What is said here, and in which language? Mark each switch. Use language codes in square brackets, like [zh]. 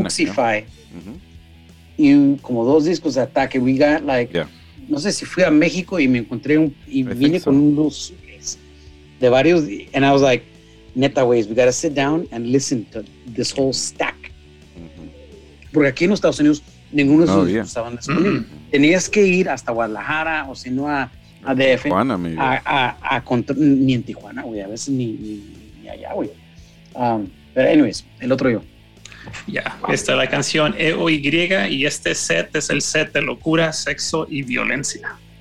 [es] de Puxify, y como dos discos de ataque. [en] We got like. Yeah. [es] No sé si fui a México y me encontré con un dos de varios. [en] And I was like, [es] neta, güey, [en] we gotta sit down and listen to this whole stack. [es] Porque aquí en los Estados Unidos, ninguno de esos estaban disponibles. Tenías que ir hasta Guadalajara o si no a DF. Tijuana, ni en Tijuana, güey, a veces ni allá, güey. Pero, anyways, El Otro Yo. Esta es la canción EOY y este set es el set de locura, sexo y violencia.